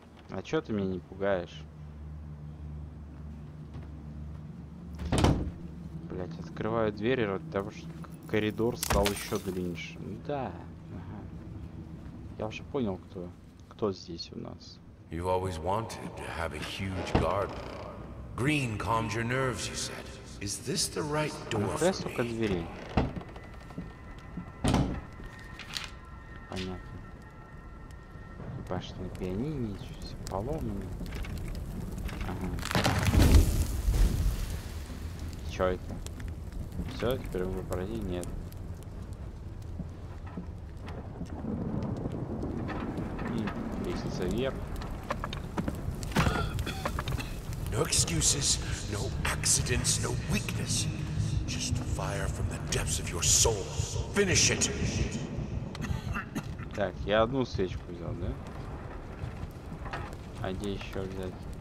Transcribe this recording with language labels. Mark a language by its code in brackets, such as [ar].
[ru] А чё ты меня не пугаешь? Блять, открываю двери, потому что коридор стал еще длиннее. Ну да. Ага. Я уже понял, кто здесь у нас. [en] You've always wanted to have a huge garden. Green calms your nerves, you said. Is this the right door for me? [ru] Ну, только двери. Понятно. Башня пианини, чё-то. Поломанный. Ага. Чё это? Всё, теперь в выборе нет. И лестница вверх. [en] No excuses, no accidents, no weakness. Just fire from the depths of your soul. Finish it. [ru] Так, я одну свечку взял, да? А где еще взять?